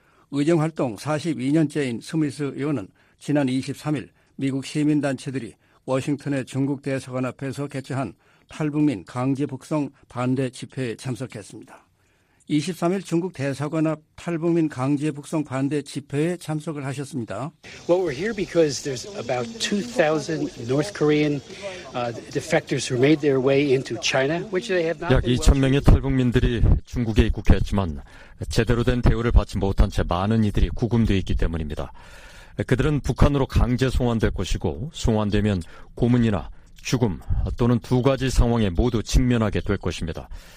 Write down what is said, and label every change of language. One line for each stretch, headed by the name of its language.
Korean: 의정활동 42년째인 스미스 의원은 지난 23일 미국 시민단체들이 워싱턴의 중국 대사관 앞에서 개최한 탈북민 강제 북송 반대 집회에 참석했습니다. 23일 중국 대사관 앞 탈북민 강제 북송 반대 집회에 참석을 하셨습니다.
English: Well, we're here because there's about 2,000 North Korean defectors who made their way into China, which they have not.
Korean: 약 2,000명의 탈북민들이 중국에 입국했지만 제대로 된 대우를 받지 못한 채 많은 이들이 구금되어 있기 때문입니다. 그들은 북한으로 강제 송환될 것이고 송환되면 고문이나 죽음 또는 두 가지 상황에 모두 직면하게 될 것입니다.